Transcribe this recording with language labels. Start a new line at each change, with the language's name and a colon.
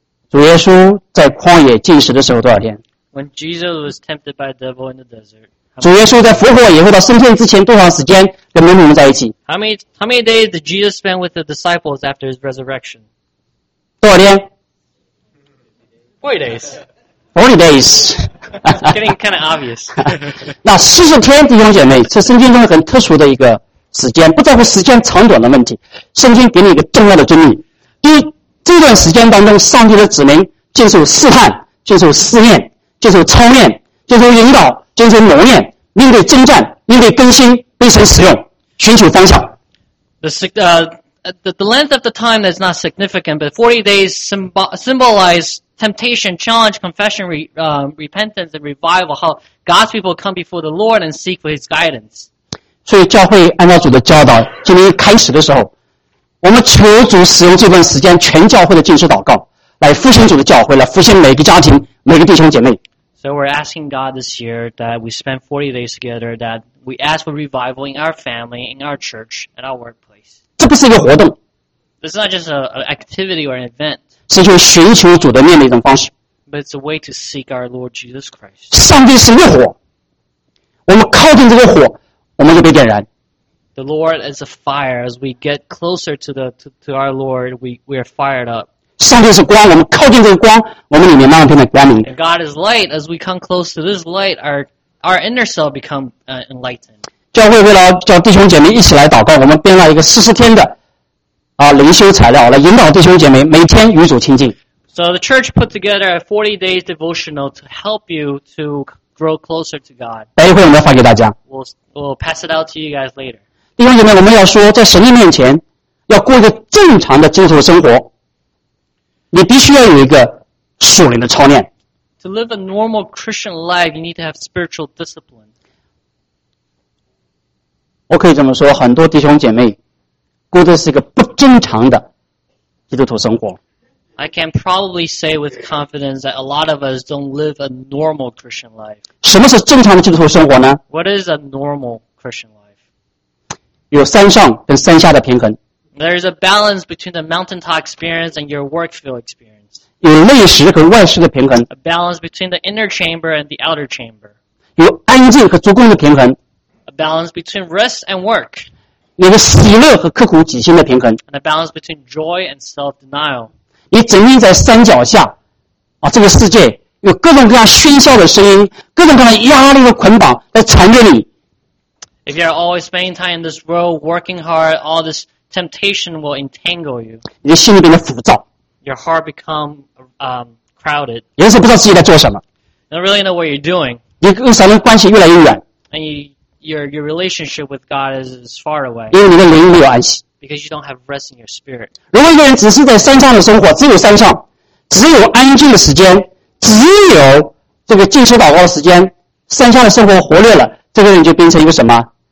Chinese: 主耶稣在旷野禁食的时候多少天
English: ？When Jesus was tempted by the devil in the desert.
Chinese: 主耶稣在复活以后到升天之前多长时间跟门徒们在一起
English: ？How many days did Jesus spend with the disciples after his resurrection?
Chinese: 多少天
English: ？40 days. 40 days. Getting kind of obvious.
Chinese: 那四十天，弟兄姐妹，是圣经中很特殊的一个时间，不在乎时间长短的问题。圣经给你一个重要的真理：第一，这段时间当中，上帝的子民接受试探、接受试炼、接受操练、接受引导、接受磨练，面对征战、面对更新、被神使用、寻求方向。
English: The length of the time is not significant, but 40 days symbolize temptation, challenge, confession, repentance, and revival. How God's people come before the Lord and seek for His guidance.
Chinese: 所以教会按照主的教导，今天开始的时候，我们求主使用这段时间，全教会的禁食祷告，来复兴主的教会，来复兴每个家庭、每个弟兄姐妹。
English: So we're asking God this year that we spend 40 days together, that we ask for revival in our family, in our church, in our workplace.
Chinese: 这不是一个活动。
English: This is not just an activity or an event.
Chinese: 是去寻求主的面的一种方式。
English: But it's a way to seek our Lord Jesus Christ.
Chinese: 上帝是烈火。我们靠近这个火，我们就被点燃。
English: The Lord is a fire. As we get closer to our Lord, we are fired up.
Chinese: 上帝是光，我们靠近这个光，我们里面慢慢变得光明。
English: And God is light. As we come close to this light, our inner self become enlightened.
Chinese: 教会为了叫弟兄姐妹一起来祷告，我们编了一个40天的灵修材料，来引导弟兄姐妹每天与主亲近。
English: So the church put together a 40 days devotional to help you to grow closer to God.
Chinese: 待一会我们发给大家。
English: We'll pass it out to you guys later.
Chinese: 弟兄姐妹，我们要说，在神的面前，要过一个正常的基督徒生活，你必须要有一个属灵的操练。
English: To live a normal Christian life, you need to have spiritual discipline.
Chinese: 我可以这么说，很多弟兄姐妹过的是一个不正常的基督徒生活。
English: I can probably say with confidence that a lot of us don't live a normal Christian life.
Chinese: 什么是正常的基督徒生活呢？
English: What is a normal Christian life?
Chinese: 有山上跟山下的平衡。
English: There is a balance between the mountaintop experience and your work field experience.
Chinese: 有内室和外室的平衡。
English: A balance between the inner chamber and the outer chamber.
Chinese: 有安静和做工的平衡。
English: A balance between rest and work.
Chinese: 有个喜乐和刻苦己心的平衡。
English: And a balance between joy and self-denial.
Chinese: 你整天在山脚下啊，这个世界有各种各样喧嚣的声音，各种各样压力的捆绑在缠着你。
English: If you're always spending time in this world, working hard, all this temptation will entangle you.
Chinese: 你的心里变得浮躁。
English: Your heart become crowded.
Chinese: 有时不知道自己在做什么。
English: Don't really know what you're doing.
Chinese: 你跟神的关系越来越远。
English: And your relationship with God is far away.
Chinese: 因为你的灵没有安息。
English: Because you don't have rest in your spirit.
Chinese: 如果一个人只是在山上的生活，只有山上，只有安静的时间，只有这个静心祷告的时间，山下的生活活跃了，这个人就变成一个什么？